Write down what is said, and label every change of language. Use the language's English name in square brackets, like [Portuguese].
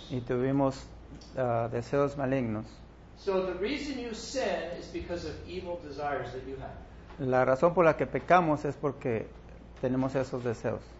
[Spanish] Y tuvimos deseos malignos. [English] So the reason you sin is because of evil desires that you have. [Spanish] La razón por la que pecamos es porque tenemos esos deseos.